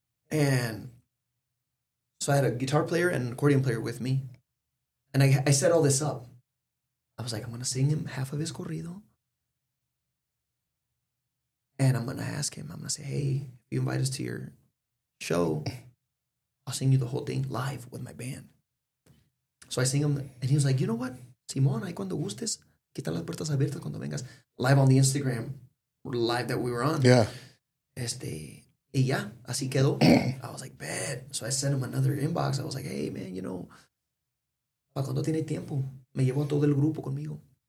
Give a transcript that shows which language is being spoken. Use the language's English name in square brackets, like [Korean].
[English] And so I had a guitar player and an accordion player with me, and I set all this up. I was like, I'm going to sing him half of his corrido, and I'm going to ask him, I'm going to say, hey, if you invite us to your show, I'll sing you the whole thing live with my band. So I sing him, and he was like, you know what? [Spanish] Simón, ahí cuando gustes, quita las puertas abiertas cuando vengas. [English] Live on the Instagram, live that we were on. Yeah. [Spanish] Y ya, así quedó. [English] I was like, bad. So I sent him another inbox. I was like, hey, man, you know, [Spanish] ¿para cuando tiene tiempo? Me llevo a todo el grupo conmigo.